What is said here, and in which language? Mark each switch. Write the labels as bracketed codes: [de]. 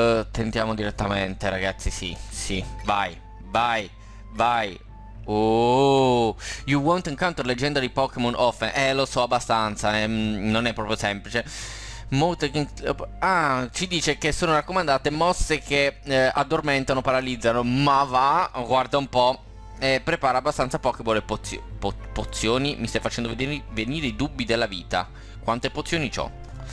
[it] Tentiamo direttamente, ragazzi, sì, sì. Vai, vai, vai. [en] Oh, you won't encounter legendary Pokémon often. [it] Lo so abbastanza, non è proprio semplice. Ci dice che sono raccomandate mosse che addormentano, paralizzano. Ma va, guarda un po'. Prepara abbastanza Pokéball e pozioni. Mi stai facendo venire i dubbi della vita. Quante pozioni c'ho?